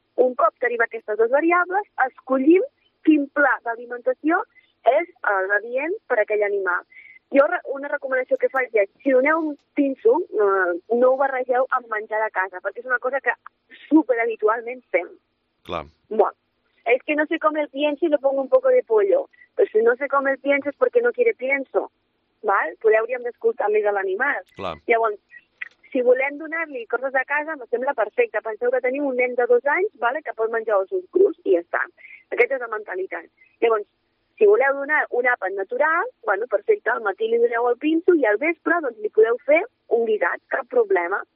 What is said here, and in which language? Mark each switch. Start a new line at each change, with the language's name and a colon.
Catalan: Un cop tenim aquestes dues variables, escollim quin pla d'alimentació és l'adient per a aquell animal. Jo una recomanació que faig és, si doneu un pinso, no ho barregeu amb menjar de casa, perquè és una cosa que superhabitualment fem. Clar.
Spanish: Bueno, es que no se come el pienso y le pongo un poco de pollo. Pero si no se come el pienso es porque no quiere pienso, ¿vale?
Catalan: Pues ya hauríem d'escoltar més a l'animal. Llavors, si volem donar-li coses a casa, me sembla perfecte. Penseu que tenim un nen de 2 anys, ¿vale? Que pot menjar ossos crus i ja està. Aquesta és la mentalitat. Llavors, si voleu donar un àpat natural, bueno, perfecte, al matí li doneu el pinso i al vespre doncs, li podeu fer un guisat, cap problema.